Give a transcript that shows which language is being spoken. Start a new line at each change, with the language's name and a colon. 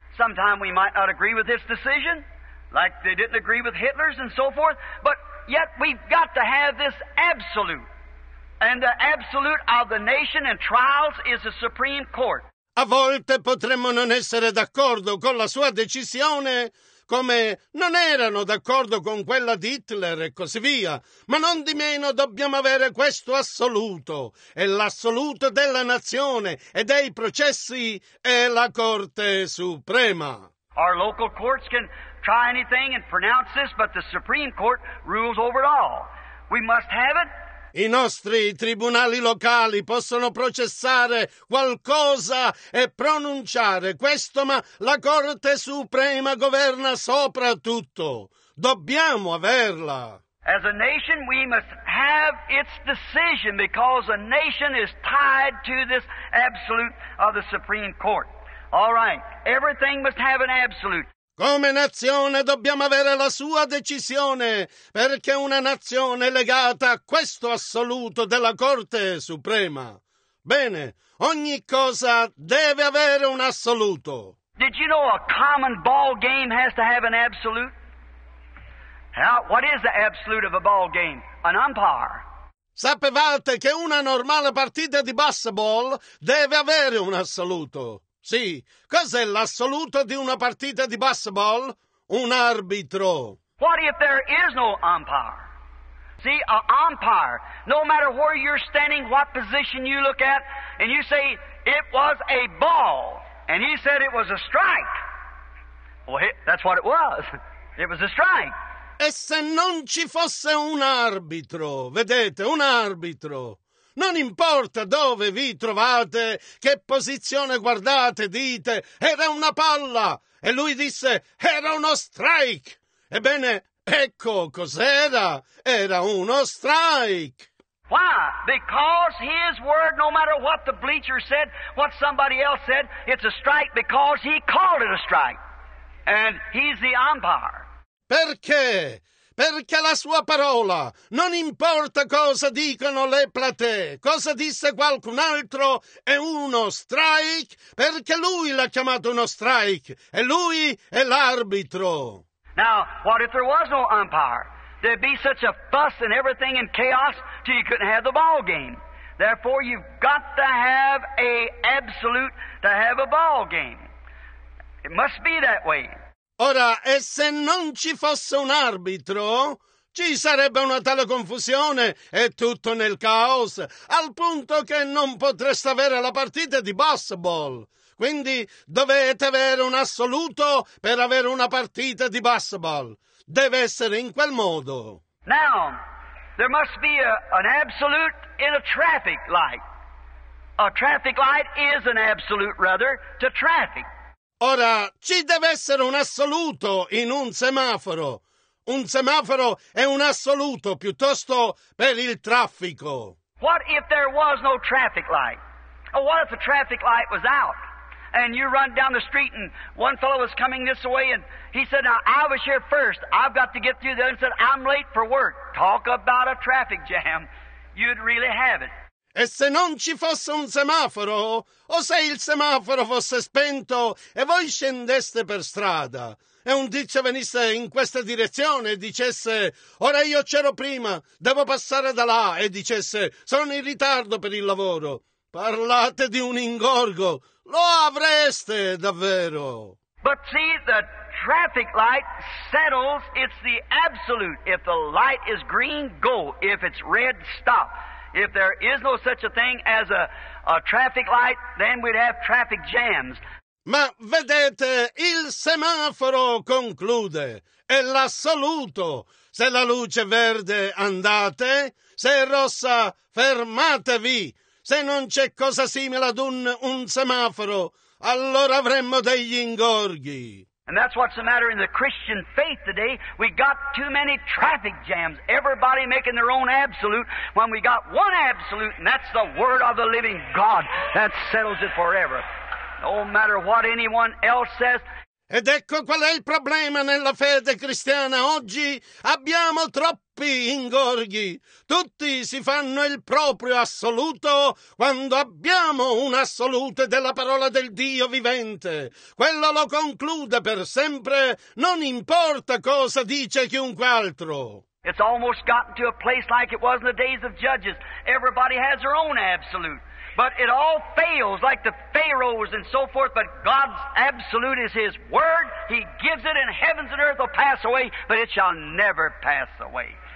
English: Sometimes we might not agree with this decision, like they didn't agree with Hitler's and so forth, but yet we've got to have this absolute. And the absolute of the nation and trials is the Supreme Court.
Italian: A volte potremmo non essere d'accordo con la sua decisione, come non erano d'accordo con quella di Hitler e così via. Ma non di meno dobbiamo avere questo assoluto. E l'assoluto della nazione e dei processi è la Corte Suprema.
English: Our local courts can try anything and pronounce this, but the Supreme Court rules over it all. We must have it.
Italian: I nostri tribunali locali possono processare qualcosa e pronunciare questo, ma la Corte Suprema governa sopra tutto. Dobbiamo averla.
English: As a nation, we must have its decision, because a nation is tied to this absolute of the Supreme Court. All right, everything must have an absolute.
Italian: Come nazione dobbiamo avere la sua decisione, perché una nazione è legata a questo assoluto della Corte Suprema. Bene, ogni cosa deve avere un assoluto.
English: Did you know a common ball game has to have an absolute? Now, what is the absolute of a ball game? An umpire.
Italian: Sapevate che una normale partita di basketball deve avere un assoluto? Sì, cos'è l'assoluto di una partita di basketball? Un arbitro.
English: What if there is no umpire? See, an umpire, no matter where you're standing, what position you look at, and you say, it was a ball, and he said it was a strike. Well, that's what it was. It was a strike.
Italian: E se non ci fosse un arbitro, vedete, un arbitro. Non importa dove vi trovate, che posizione guardate, dite, era una palla. E lui disse, era uno strike. Ebbene, ecco cos'era. Era uno strike.
English: Why? Because his word, no matter what the bleacher said, what somebody else said, it's a strike because he called it a strike. And he's the umpire.
Italian: Perché? Perché la sua parola, non importa cosa dicono le platee, cosa disse qualcun altro, è uno strike, perché lui l'ha chiamato uno strike, e lui è l'arbitro.
English: Now, what if there was no umpire? There'd be such a fuss and everything and chaos till you couldn't have the ball game. Therefore, you've got to have a absolute to have a ball game. It must be that way.
Italian: Ora, e se non ci fosse un arbitro, ci sarebbe una tale confusione e tutto nel caos, al punto che non potreste avere la partita di basketball. Quindi dovete avere un assoluto per avere una partita di basketball. Deve essere in quel modo.
English: Now, there must be an absolute in a traffic light. A traffic light is an absolute, rather, to traffic.
Italian: Ora, ci deve essere un assoluto in un semaforo. Un semaforo è un assoluto piuttosto per il traffico.
English: What if there was no traffic light? Or what if the traffic light was out? And you run down the street and one fellow was coming this way and he said, now, I was here first. I've got to get through there. And said, I'm late for work. Talk about a traffic jam. You'd really have it.
Italian: E se non ci fosse un semaforo, o se il semaforo fosse spento e voi scendeste per strada e un tizio venisse in questa direzione e dicesse: ora io c'ero prima, devo passare da là, e dicesse: sono in ritardo per il lavoro. Parlate di un ingorgo, lo avreste davvero.
English: But see, the traffic light settles, it's the absolute. If the light is green, go. If it's red, stop. If there is no such a thing as a traffic light, then we'd have traffic jams.
Italian: Ma vedete, il semaforo conclude, è l'assoluto. Se la luce verde, andate. Se è rossa, fermatevi. Se non c'è cosa simile ad un semaforo, allora avremmo degli ingorghi.
English: And that's what's the matter in the Christian faith today. We got too many traffic jams. Everybody making their own absolute, when we got one absolute, and that's the word of the living God. That settles it forever. No matter what anyone else says.
Italian: Ed ecco qual è il problema nella fede cristiana oggi. Abbiamo troppi ingorghi. Tutti si fanno il proprio assoluto quando abbiamo un assoluto della parola del Dio vivente. Quello lo conclude per sempre, non importa cosa dice chiunque altro.
English: It's almost gotten to a place like it was in the days of Judges. Everybody has their own absolute. But it all fails, like the pharaohs and so forth, but God's absolute is His word. He gives it, and heavens and earth will pass away, but it shall never pass away.